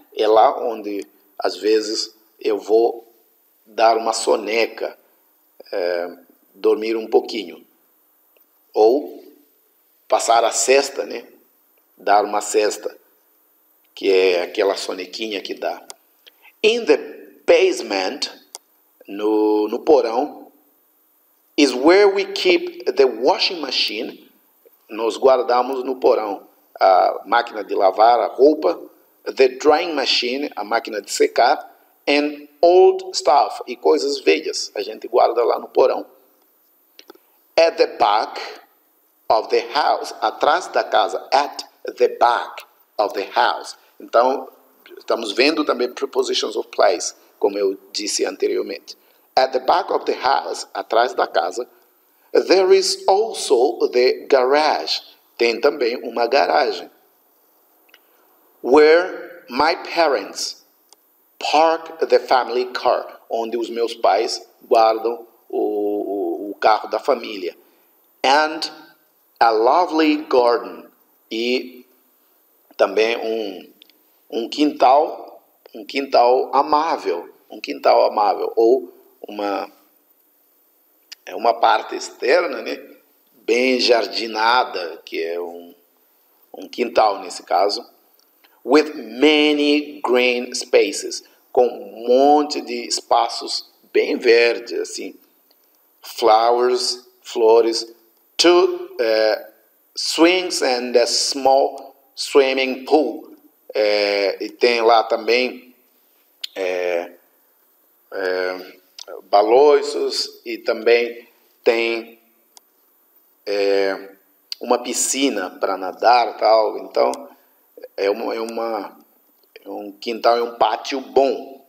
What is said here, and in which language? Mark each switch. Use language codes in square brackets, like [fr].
[pt] É lá onde, às vezes, eu vou dar uma soneca, dormir um pouquinho. Ou passar a sesta, né? Dar uma sesta, que é aquela sonequinha que dá. [en] In the basement, [pt] no porão, [en] is where we keep the washing machine. [pt] Nós guardamos no porão a máquina de lavar, a roupa, [en] the drying machine, [pt] a máquina de secar, [en] and old stuff, [pt] e coisas velhas, a gente guarda lá no porão. [en] At the back of the house, [pt] atrás da casa, [en] at the back of the house. [pt] Então, estamos vendo também prepositions of place, como eu disse anteriormente. [en] At the back of the house, [pt] atrás da casa, [en] there is also the garage, [pt] tem também uma garagem. [en] Where my parents park the family car, [pt] onde os meus pais guardam o carro da família. [en] And a lovely garden, [pt] e também um quintal amável, ou uma parte externa, né? Bem jardinada, que é um quintal nesse caso. [en] With many green spaces, [pt] com um monte de espaços bem verdes, assim. [en] Flores, two swings and a small swimming pool. [pt] E tem lá também baloiços, e também tem uma piscina para nadar e tal, então... É um quintal, é um pátio bom.